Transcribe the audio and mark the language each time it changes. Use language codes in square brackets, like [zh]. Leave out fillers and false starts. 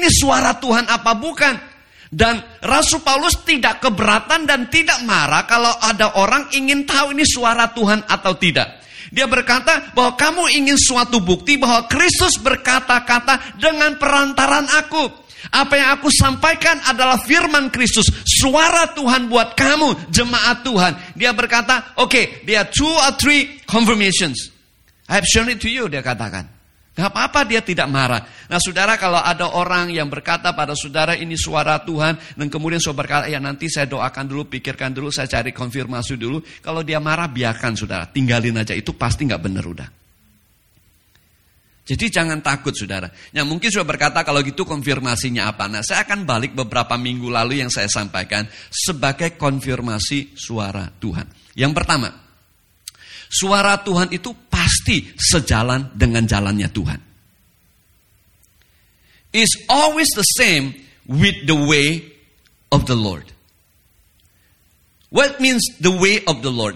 [id] Ini suara Tuhan apa bukan? Dan Rasul Paulus tidak keberatan dan tidak marah kalau ada orang ingin tahu ini suara Tuhan atau tidak. Dia berkata bahwa kamu ingin suatu bukti bahwa Kristus berkata-kata dengan perantaran aku. Apa yang aku sampaikan adalah firman Kristus, suara Tuhan buat kamu, jemaat Tuhan. Dia berkata, [en] okay, there are two or three confirmations. I have shown it to you, [id] dia katakan. Gak apa-apa, dia tidak marah. Nah, saudara, kalau ada orang yang berkata pada saudara ini suara Tuhan, dan kemudian saudara berkata, ya nanti saya doakan dulu, pikirkan dulu, saya cari konfirmasi dulu. Kalau dia marah, biarkan, saudara. Tinggalin aja, itu pasti gak benar udah. Jadi jangan takut, saudara. Ya mungkin saudara berkata, kalau gitu konfirmasinya apa? Nah, saya akan balik beberapa minggu lalu yang saya sampaikan sebagai konfirmasi suara Tuhan. Yang pertama, suara Tuhan itu pasti sejalan dengan jalannya Tuhan. [en] It's always the same with the way of the Lord. What means the way of the Lord?